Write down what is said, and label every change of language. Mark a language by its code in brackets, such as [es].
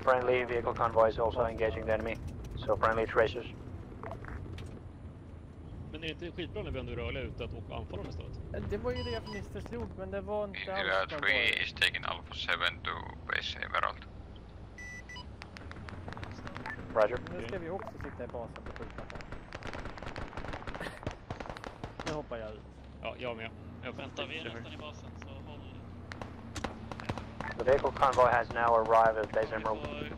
[en] Friendly vehicle convoy is also engaging the enemy. So friendly tracers. [sv] Men är det inte skitbra när vi ändå rörliga ute att åka och anfalla dem istället? Det var ju det jag misstänkte, men det var inte [en] alls. Area 3 is taking Alpha 7 to base Emerald. Roger. [sv] Nu ska vi också sitta i basen på skjutan. Nu hoppar jag ut. Ja, jag med. Väntar vi nästan i basen, så håll... [en] The vehicle convoy has now arrived at base emerald.